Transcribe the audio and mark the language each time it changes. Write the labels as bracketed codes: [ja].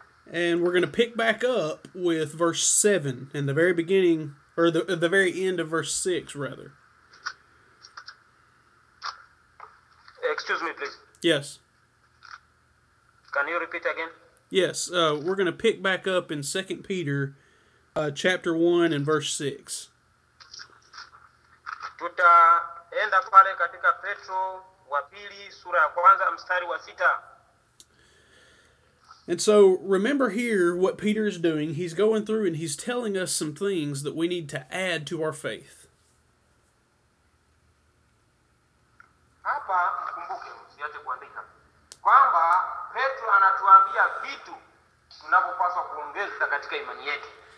[en] And we're going to pick back up with verse 7 in the very beginning, or the very end of verse 6, rather. Excuse me, please. Yes. Can you repeat again? Yes. We're going to pick back up in 2 Peter chapter 1 and verse 6. [sw] Tutaenda pale katika Petro wa pili sura ya kwanza mstari wa 6. [en] And so remember here what Peter is doing. He's going through and he's telling us some things that we need to add to our faith. [sw] Hapa kumbuke usiache kuandika kwamba Petro anatuambia vitu tunapopaswa kuongeza katika imani yetu.